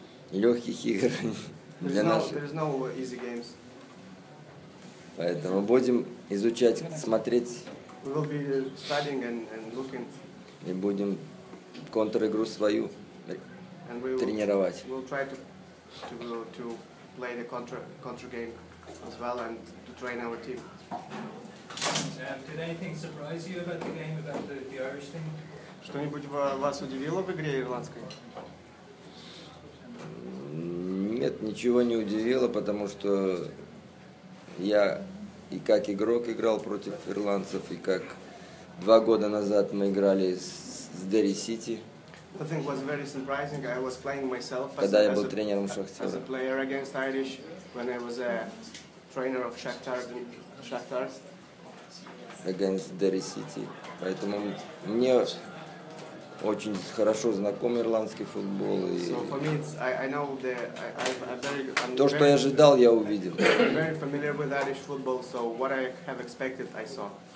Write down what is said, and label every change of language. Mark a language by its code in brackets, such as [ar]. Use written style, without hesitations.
[ru] Легких игр для наших. [en] There is no easy games. [ru] Поэтому будем изучать, смотреть. [en] We will be studying and looking. [ru] И будем контр-игру свою тренировать. [en] We'll try to play the counter game as well and to train our team. Did anything surprise you about the game, about the Irish thing? [ru] Что-нибудь вас удивило в игре ирландской? Нет, ничего не удивило, потому что я и как игрок играл против ирландцев, и как 2 года назад мы играли с Дерри Сити. [en] Nothing was very surprising. I was playing myself as a player against Irish when I was a trainer of Shakhtar. Against Derry City. [ru] Поэтому мне очень хорошо знаком ирландский футбол. И то, что я ожидал, я увидел. [en] I'm very familiar with Irish football, so what I have expected, I saw.